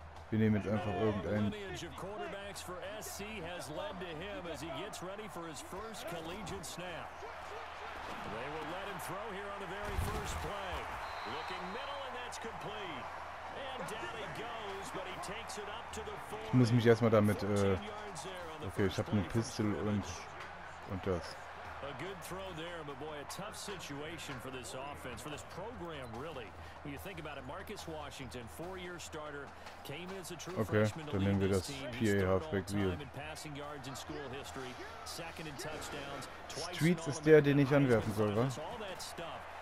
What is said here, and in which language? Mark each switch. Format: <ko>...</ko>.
<de>Wir nehmen jetzt einfach irgendeinen.</de> <en>They will let him throw here on the very first play. Looking middle and that's complete. And down he goes, but he takes it up to the four.</en> <de>Ich muss mich erstmal damit okay, ich habe eine Pistol und das.</de> <en>A good throw there, but boy, a tough situation for this offense, for this program really. When you think about it, Marcus Washington, four-year starter, came in as a true freshman to lead this team. He started all time in passing yards in school history, second in touchdowns, twice in All-American Heisman Conference. All that stuff.</en>